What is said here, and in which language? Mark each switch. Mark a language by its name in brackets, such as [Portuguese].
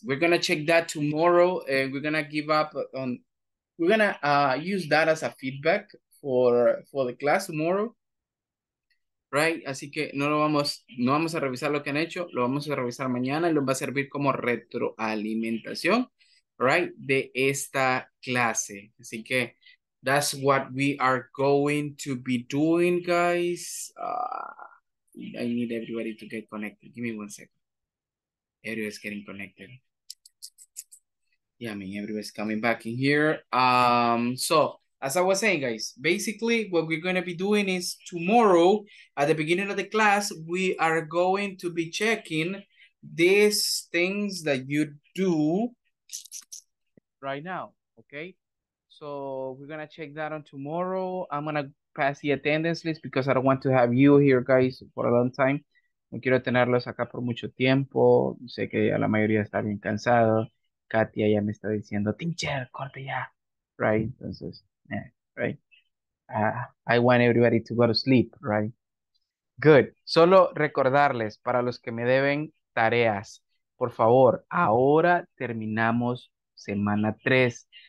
[English] We're gonna check that tomorrow, and we're gonna give up on. We're gonna use that as a feedback for the class tomorrow, right? [Spanish] Así que no vamos a revisar lo que han hecho. Lo vamos a revisar mañana y nos va a servir como retroalimentación, right? De esta clase. Así que [English] that's what we are going to be doing, guys. I need everybody to get connected. Give me one second. Everybody's getting connected. Yeah, I mean, everybody's coming back in here. So, as I was saying, guys, basically, what we're going to be doing is tomorrow, at the beginning of the class, we are going to be checking these things that you do right now, okay? So, we're going to check that on tomorrow. I'm going to pass the attendance list because I don't want to have you here, guys, for a long time. [Spanish] No quiero tenerlos acá por mucho tiempo. Sé que a la mayoría está bien cansado. Katia ya me está diciendo, teacher, corte ya. Right? Entonces, [English] yeah, right? I want everybody to go to sleep, right? Good. [Spanish] Solo recordarles, para los que me deben tareas, por favor, ahora terminamos semana 3.